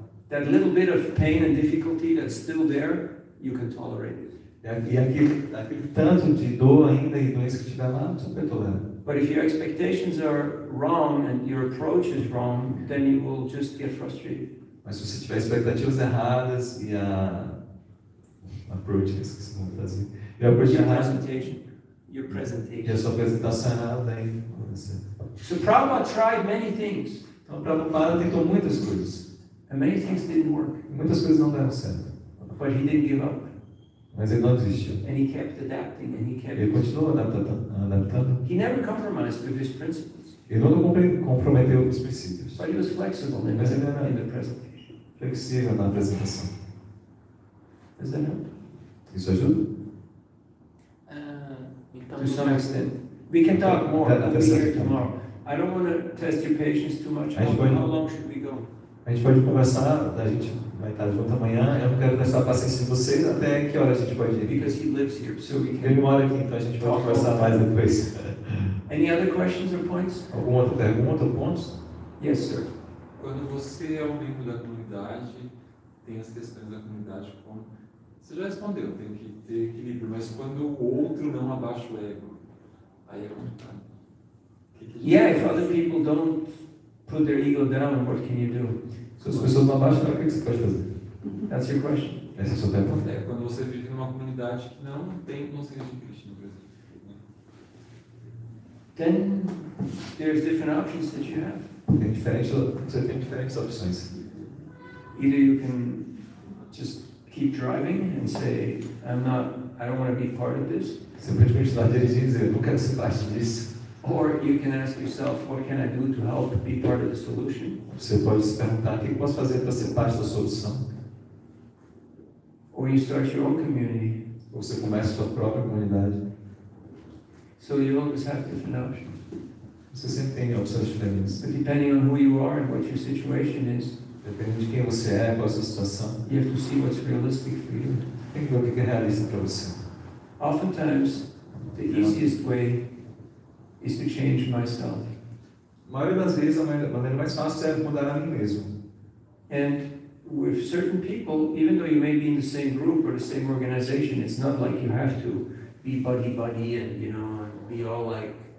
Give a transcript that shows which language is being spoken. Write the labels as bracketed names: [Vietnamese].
[English] That little bit of pain and difficulty that's still there, you can tolerate it. [Portuguese] E aquele tanto de dor ainda e doença que tiver lá, você pode tolerar. [English] But if your expectations are wrong and your approach is wrong, then you will just get frustrated. [Portuguese] Mas se você tiver expectativas erradas e a approach, esqueci como fazer. E a approach errada. [English] Your presentation. [Portuguese] E a sua apresentação errada, aí aconteceu. [English] So Prabhupada tried many things. [Portuguese] Então Prabhupada tentou muitas coisas. [English] And many things didn't work. [Portuguese] Muitas coisas não deram certo. [English] But he didn't give up. [Portuguese] Mas ele não desistiu. [English] And he kept adapting, and he kept. [Portuguese] Ele continuou adaptando. [English] He never compromised with his principles. [Portuguese] Ele nunca comprometeu os princípios. [English] But he was flexible in [Portuguese] Mas [English] the, [Portuguese] ele era [English] in the presentation. [Portuguese] Flexível na apresentação. [English] Does that help? [Portuguese] Isso ajuda? [English] To some extent. We can talk more. We'll be here tomorrow. I don't want to test your patience too much. How long should we go? [Portuguese] A gente pode conversar, a gente vai estar junto amanhã. Eu não quero gastar a paciência de vocês até que hora a gente pode ir. [English] Because he lives here, so we can. [Portuguese] Ele mora aqui, então a gente pode conversar mais depois. [English] Any other questions or points? [Portuguese] Alguma outra pergunta ou pontos? [English] Yes, sir. [Portuguese] Quando você é um membro da comunidade, tem as questões da comunidade como. Você já respondeu, tem que ter equilíbrio, mas quando o outro não abaixa o ego, aí é complicado. [English] Yeah, if other people don't. Put their ego down, what can you do? [Portuguese] Se as pessoas não abaixam, o que você pode fazer? [English] That's your question. [Portuguese] Essa é a sua pergunta. É quando você vive numa comunidade que não tem consciência de Krishna, por exemplo. [English] Then, there's different options that you have. [Portuguese] Você tem diferentes opções. [English] Either you can just keep driving and say, I don't want to be part of this. [Portuguese] Simplesmente lá dirigindo e dizer, não quero ser parte disso. [English] Or you can ask yourself, what can I do to help be part of the solution? [Portuguese] Você pode se perguntar, o que posso fazer para ser parte da solução? [English] Or you start your own community. [Portuguese] Ou você começa sua própria comunidade. [English] So you always have different options. [Portuguese] Você sempre tem opções diferentes. [English] But depending on who you are and what your situation is. [Portuguese] Depende de quem você é, qual é a sua situação. [English] You have to see what's realistic for you. [Portuguese] Tem que ver o que é realista para você. [English] Oftentimes, the easiest way is to change myself. [Portuguese] A maioria das vezes, a maneira mais fácil é mudar a mim mesmo. [English] And with certain people, even though you may be in the same group or the same organization, it's not like you have to be buddy-buddy and, you know, be all like...